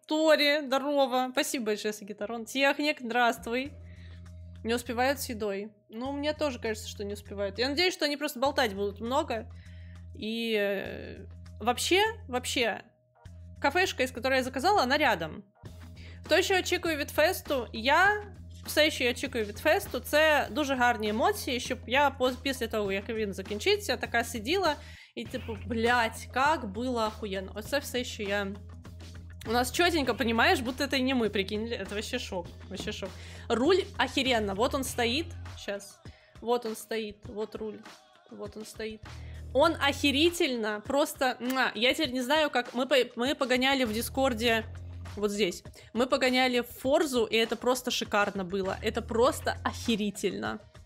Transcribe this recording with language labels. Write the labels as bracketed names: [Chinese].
[Russian] Тори, здорово, спасибо большое, Сагитарон. Техник, здравствуй. Не успевают с едой. Ну, мне тоже кажется, что не успевают. Я надеюсь, что они просто болтать будут много. И вообще, кафешка, из которой я заказала, она рядом. [Ukrainian] Хто ще очікує від фесту? Я... Все, що я очікую від фесту, це дуже гарні емоції, щоб я після того, як він закінчиться, така сиділа і типу, блядь, як було охуєнно. Оце все, що я... У нас чітенько, розумієш, будто це і не ми, прикинь, це [Russian] вообще шок, вообще шок. Руль охеренно, вот он стоїт, зараз, вот он стоїт, вот руль, вот он стоїт. [Ukrainian] Он охерительно, просто, я тепер не знаю, як, ми погоняли в Дискорді... [Russian] Вот здесь. Мы погоняли в Форзу, и это просто шикарно было. Это просто охерительно.